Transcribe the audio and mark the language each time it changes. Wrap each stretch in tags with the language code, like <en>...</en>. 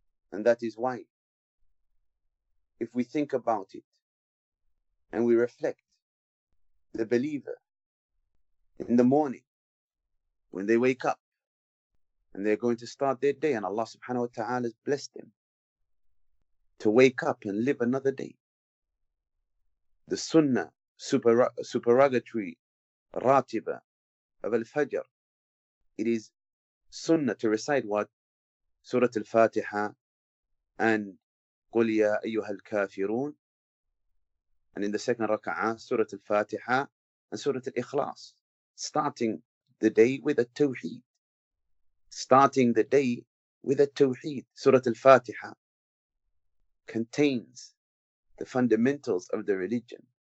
<en>And that is why, if we think about it and we reflect, the believer in the morning when they wake up, and they're going to start their day, and Allah subhanahu wa ta'ala has blessed them to wake up and live another day. The sunnah, supererogatory ratiba of al-fajr, it is sunnah to recite what?</en> <ar>Surah al-Fatiha and قُلْ يَا أَيُّهَا الْكَافِرُونَ.</ar> <en>And in the second raka'ah, Surah al-Fatiha and Surah al-Ikhlas, starting the day with a tawheed. Starting the day with a tawheed, Surah Al-Fatiha, contains the fundamentals of the religion.</en>